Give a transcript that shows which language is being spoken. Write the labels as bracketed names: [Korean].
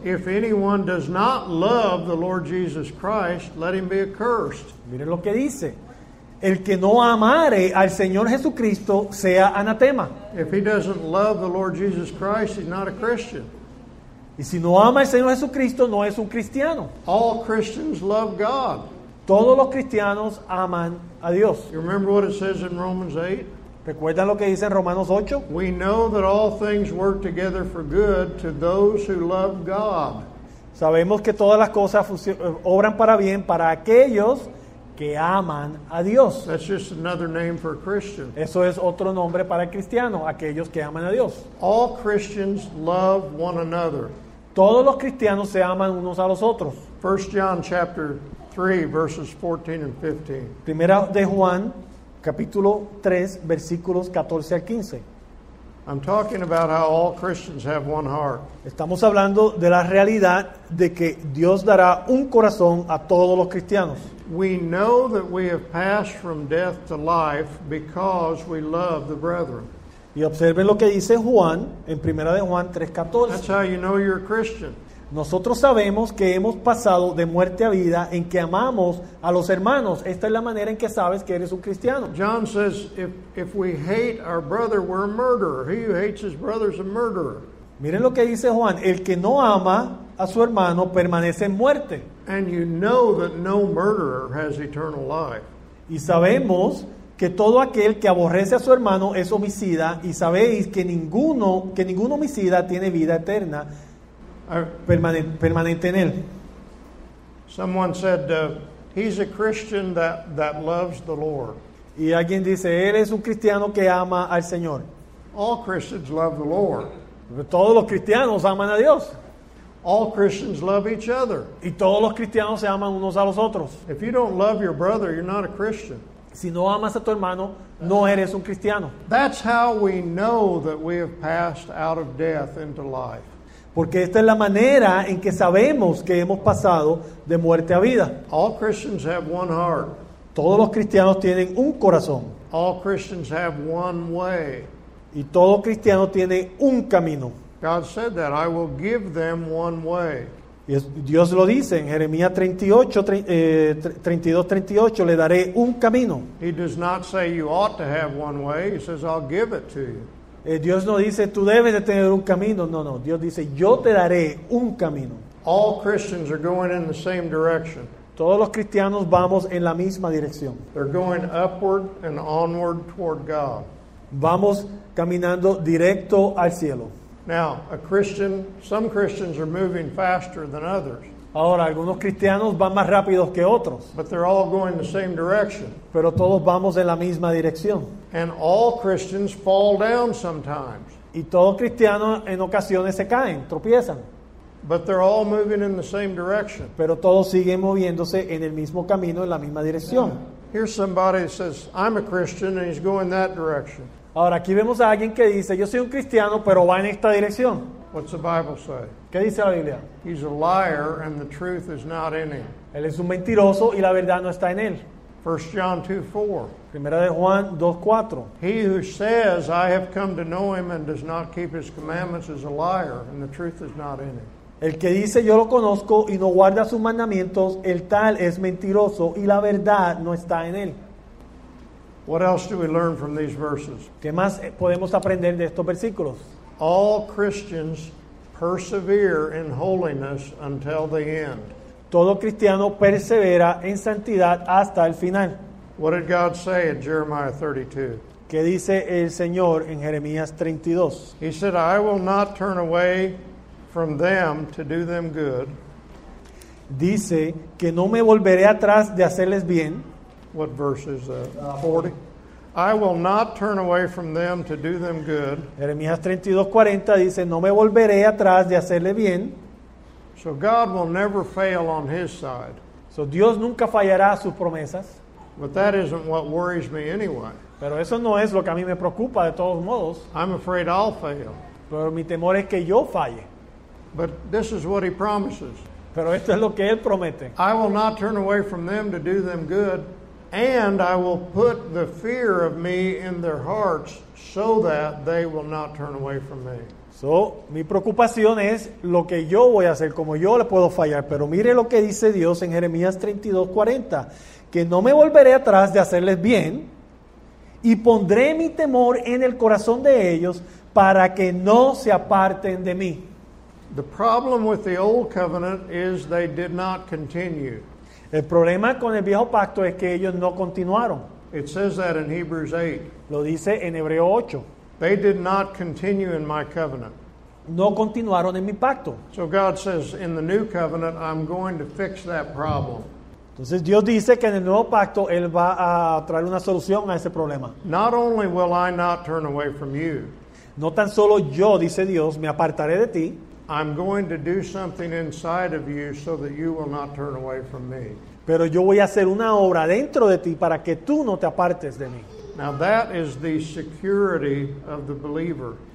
[English] If anyone does not love the Lord Jesus Christ, let him be accursed. [Spanish] Miren lo que dice. El que no amare al Señor Jesucristo sea anatema. [English] If he doesn't love the Lord Jesus Christ, he's not a Christian. [Spanish] Y si no ama al Señor Jesucristo, no es un cristiano. [English] All Christians love God. [Spanish] Todos los cristianos aman a Dios. [English] You remember what it says in Romans 8? [Spanish] ¿Recuerdan lo que dice en Romanos 8? [English] We know that all things work together for good to those who love God. [Spanish] Sabemos que todas las cosas obran para bien para aquellos que aman a Dios. [English] That's just another name for a Christian. [Spanish] Eso es otro nombre para el cristiano, aquellos que aman a Dios. [English] All Christians love one another. [Spanish] Todos los cristianos se aman unos a los otros. [English] 1 John chapter 3, verses 14 and 15. [Spanish] Primera de Juan, capítulo 3, versículos 14 al 15. [English] I'm talking about how all Christians have one heart. [Spanish] Estamos hablando de la realidad de que Dios dará un corazón a todos los cristianos. [English] We know that we have passed from death to life because we love the brethren. [Spanish] Y observen lo que dice Juan en Primera de Juan 3:14. [English] That's how you know you're a Christian. [Spanish] Nosotros sabemos que hemos pasado de muerte a vida en que amamos a los hermanos. Esta es la manera en que sabes que eres un cristiano. [English] John says, if we hate our brother, we're a murderer. He who hates his brother is a murderer. [Spanish] Miren lo que dice Juan. El que no ama a su hermano permanece en muerte. [English] And you know that no murderer has eternal life. [Spanish] Y sabemos que todo aquel que aborrece a su hermano es homicida. Y sabéis que ningún homicida tiene vida eterna. Permanente en él. [English] Someone said he's a Christian that loves the Lord. [Spanish] Y alguien dice, él es un cristiano que ama al Señor. [English] All Christians love the Lord. [Spanish] Todos los cristianos aman a Dios. [English] All Christians love each other. [Spanish] Y todos los cristianos se aman unos a los otros. [English] If you don't love your brother, you're not a Christian. [Spanish] Si no amas a tu hermano, no eres un cristiano. [English] That's how we know that we have passed out of death into life. [Spanish] Porque esta es la manera en que sabemos que hemos pasado de muerte a vida. [English] All Christians have one heart. [Spanish] Todos los cristianos tienen un corazón. [English] All Christians have one way. [Spanish] Y todo cristiano tiene un camino. [English] God said that I will give them one way. [Spanish] Dios lo dice en Jeremías 32:38, le daré un camino. [English] He does not say you ought to have one way. He says I'll give it to you. [Spanish] Dios no dice tú debes de tener un camino. No, no. Dios dice yo te daré un camino. [English] All Christians are going in the same direction. [Spanish] Todos los cristianos vamos en la misma dirección. [English] They're going upward and onward toward God. [Spanish] Vamos caminando directo al cielo. [English] Now, some Christians are moving faster than others. [Spanish] Ahora, algunos cristianos van más rápido que otros. [English] But they're all going the same direction. [Spanish] Pero todos vamos en la misma dirección. [English] And all Christians fall down sometimes. [Spanish] Y todos cristianos en ocasiones se caen, tropiezan. [English] But they're all moving in the same direction. [Spanish] Pero todos siguen moviéndose en el mismo camino, en la misma dirección. [English] Now, here's somebody that says, I'm a Christian, and he's going that direction. [Spanish] Ahora, aquí vemos a alguien que dice, yo soy un cristiano, pero va en esta dirección. [English] What's the Bible say? [Spanish] ¿Qué dice la Biblia? [English] He's a liar, and the truth is not in him. [Spanish] Él es un mentiroso, y la verdad no está en él. [English] 1 John 2:4. [Spanish] Primera de Juan 2:4. [English] He who says, I have come to know him, and does not keep his commandments, is a liar, and the truth is not in him. [Spanish] El que dice, yo lo conozco, y no guarda sus mandamientos, el tal es mentiroso, y la verdad no está en él. [English] What else do we learn from these verses? [Spanish] ¿Qué más podemos aprender de estos versículos? [English] All Christians persevere in holiness until the end. [Spanish] Todo cristiano persevera en santidad hasta el final. [English] What did God say in Jeremiah 32? [Spanish] ¿Qué dice el Señor en Jeremías 32? [English] He said, I will not turn away from them to do them good. [Spanish] Dice que no me volveré atrás de hacerles bien. [English] What verse is that? 40. I will not turn away from them to do them good. [Spanish] Jeremías 32:40 dice, no me volveré atrás de hacerle bien. [English] So God will never fail on his side. [Spanish] So Dios nunca fallará a sus promesas. [English] But that isn't what worries me anyway. [Spanish] Pero eso no es lo que a mí me preocupa de todos modos. [English] I'm afraid I'll fail. [Spanish] Pero mi temor es que yo falle. [English] But this is what he promises. [Spanish] Pero esto es lo que él promete. [English] I will not turn away from them to do them good. And I will put the fear of me in their hearts so that they will not turn away from me. [Spanish] So, mi preocupación es lo que yo voy a hacer, como yo le puedo fallar. Pero mire lo que dice Dios en Jeremías 32:40, que no me volveré atrás de hacerles bien y pondré mi temor en el corazón de ellos para que no se aparten de mí. [English] The problem with the old covenant is they did not continue. [Spanish] El problema con el viejo pacto es que ellos no continuaron. [English] It says that in Hebrews 8. [Spanish] Lo dice en Hebreo 8. [English] They did not continue in my covenant. [Spanish] No continuaron en mi pacto. [English] So God says in the new covenant, I'm going to fix that problem. [Spanish] Entonces Dios dice que en el nuevo pacto él va a traer una solución a ese problema. [English] Not only will I not turn away from you. [Spanish] No tan solo yo, dice Dios, me apartaré de ti. [English] I'm going to do something inside of you so that you will not turn away from me. [Spanish] Pero yo voy a hacer una obra dentro de ti para que tú no te apartes de mí. [English] Now that is the security of the believer.